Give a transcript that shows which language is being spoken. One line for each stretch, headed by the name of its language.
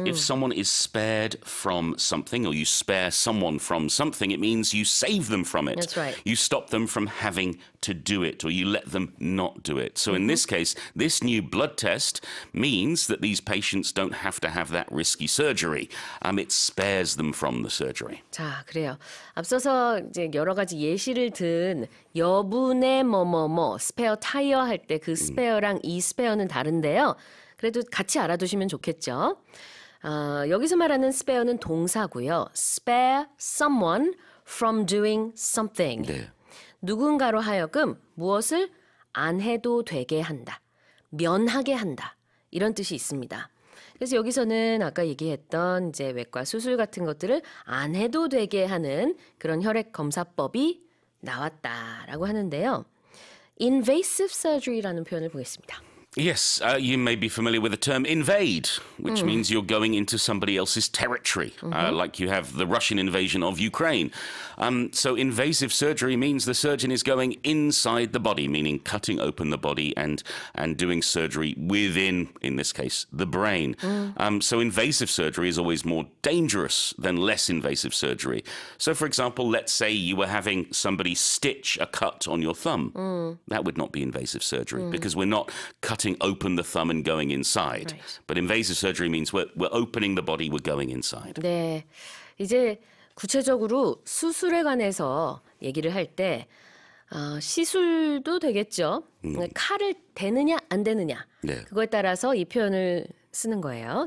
English: If someone is spared from something or you spare someone from something, it means you save them from it. That's right. You stop them from having to do it or you let them not do it. So in this case, this new blood test means that these patients don't have to have that risky surgery. It spares them from the surgery.
Korean: 자, 그래요. 앞서서 이제 여러 가지 예시를 든 여분의 뭐뭐뭐 스페어 타이어 할 때 그 스페어랑 이 스페어는 다른데요. 그래도 같이 알아두시면 좋겠죠. 여기서 말하는 스페어는 동사고요.
English: spare someone from doing something.
Korean: 네. 누군가로 하여금 무엇을 안 해도 되게 한다. 면하게 한다. 이런 뜻이 있습니다. 그래서 여기서는 아까 얘기했던 이제 외과 수술 같은 것들을 안 해도 되게 하는 그런 혈액 검사법이 나왔다라고 하는데요. Invasive surgery라는 표현을 보겠습니다.
English: Yes, you may be familiar with the term invade, which means you're going into somebody else's territory, like you have the Russian invasion of Ukraine. So invasive surgery means the surgeon is going inside the body, meaning cutting open the body and doing surgery within, in this case, the brain. So invasive surgery is always more dangerous than less invasive surgery. So, for example, let's say you were having somebody stitch a cut on your thumb. That would not be invasive surgery because we're not cutting open the thumb and going inside. Right. But invasive surgery means we're opening the body, we're going inside.
Korean: 네, 이제 구체적으로 수술에 관해서 얘기를 할 때 시술도 되겠죠. 칼을 대느냐 안 대느냐 네. 그거에 따라서 이 표현을 쓰는 거예요.